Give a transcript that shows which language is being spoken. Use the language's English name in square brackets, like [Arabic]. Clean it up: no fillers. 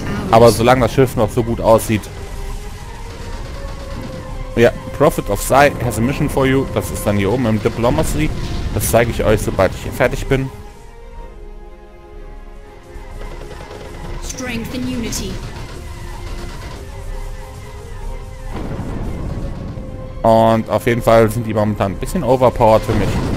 [German] Aber solange das Schiff noch so gut aussieht. [English] Ja, Prophet of Psi has a mission for you. [German] Das ist dann hier oben im Diplomacy. Das zeige ich euch, sobald ich hier fertig bin. [English] Strength and Unity. [German] Und auf jeden Fall sind die momentan ein bisschen overpowered für mich.